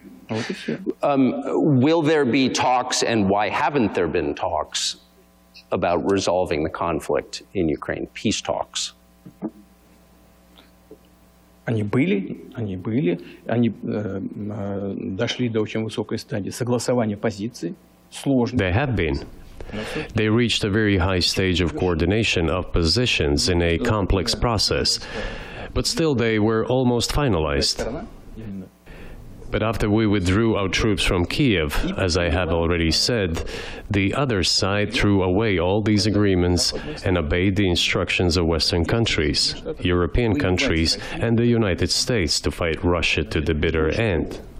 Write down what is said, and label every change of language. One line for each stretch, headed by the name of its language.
English: Will there be talks, and why haven't there been talks, about resolving the conflict in Ukraine, peace talks?
Russian: Они дошли до очень высокой стадии согласования позиций, сложных.
English: They have been. They reached a very high stage of coordination of positions in a complex process, but still they were almost finalized. But after we withdrew our troops from Kiev, as I have already said, the other side threw away all these agreements and obeyed the instructions of Western countries, European countries, and the United States to fight Russia to the bitter end.